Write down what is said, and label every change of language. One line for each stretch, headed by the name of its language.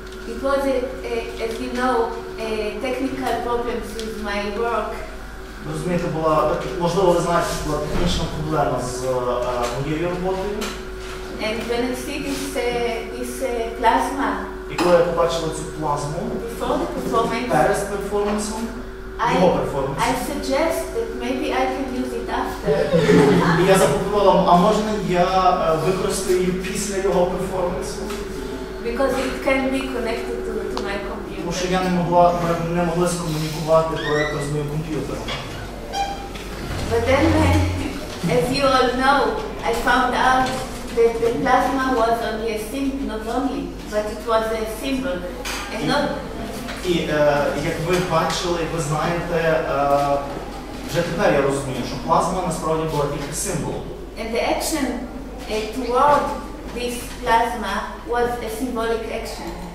English: It was, as you know, technical problems with my work.
Ukrainian: Ви розумієте, була, можливо, ви знаєте, що була технічна проблема з моєю роботою.
English: And when I see this plasma.
Ukrainian: І коли я побачила цю плазму, перед перформансом,
English: I suggest that maybe I can use it after.
Ukrainian: І я запропонував, а можна я використаю після його перформансу?
English: Because it can be connected to my computer.
Ukrainian: Тому що я не могла скомунікувати проєкт з моїм комп'ютером.
English: But then, as you all know, I found out that the plasma was only a symbol, not only, but it was a symbol. And not...
Ukrainian: І як ви бачили, ви знаєте, вже тепер я розумію, що плазма насправді була тільки символ.
English: And the action toward this plasma was a symbolic action.